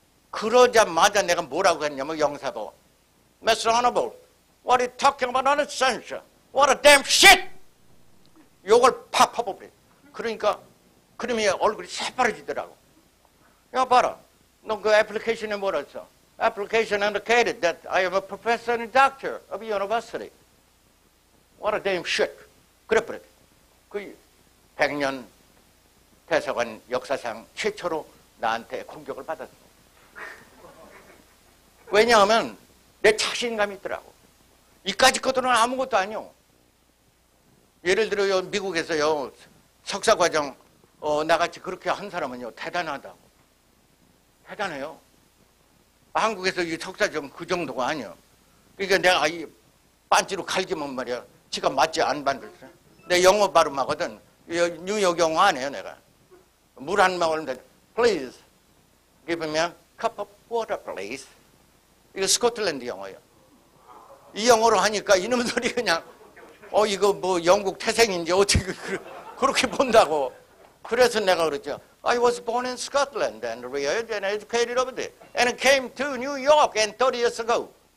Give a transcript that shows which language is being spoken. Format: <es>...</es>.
<ko>그러자마자 내가 뭐라고 했냐면 영사도 Mr.</ko> <en>Honorable, what are you talking about? Nonsense. What a damn shit.</en> <ko>욕을 팍 퍼버려. 그러니까 그놈의 얼굴이 새빨개지더라고. 야 봐라. 너 그 애플리케이션에 뭐라 했어?</ko> <en>Application indicated that I am a professor and doctor of university. What a damn shit.</en> <ko>그랬버렸어요. 100년 대사관 역사상 최초로 나한테 공격을 받았어요. 왜냐하면 내 자신감이 있더라고. 이까지 것들은 아무것도 아니오. 예를 들어요, 미국에서요, 석사과정, 나같이 그렇게 한 사람은요, 대단하다고. 대단해요. 한국에서 이 석사정 그 정도가 아니오. 그러니까 내가 이 반지로 갈기면 말이야, 지가 맞지 안 만들었어. 내 영어 발음하거든. 뉴욕 영어 안 해요, 내가. 물 한 방울인데,</ko> <en>please, give me a cup of water, please.</en> <ko>이거 스코틀랜드 영어예요. 이 영어로 하니까 이놈 소리 그냥 이거 뭐 영국 태생인지 어떻게 그렇게 본다고. 그래서 내가 그랬죠.</ko> <en>I was born in Scotland and reared and educated over there and came to New York and 30 years ago.</en>